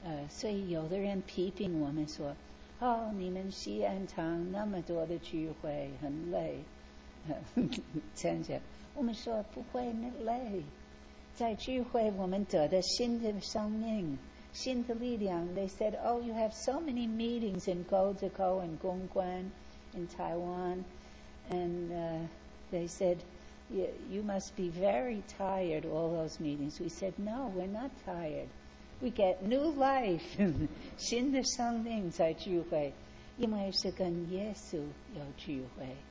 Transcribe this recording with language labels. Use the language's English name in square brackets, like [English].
[Chinese] 所以有的人批评我们说哦，你们西安堂那么多的聚会很累参加，我们说不会那累，在聚会我们得的新的生命，新的力量。 [English] They said, oh, you have so many meetings in Goldico and Gongguan in Taiwan. And they said, you must be very tired, all those meetings. We said, no, we're not tired. We get new life. [Chinese] 新的生命在聚会，因为是跟耶稣有聚会。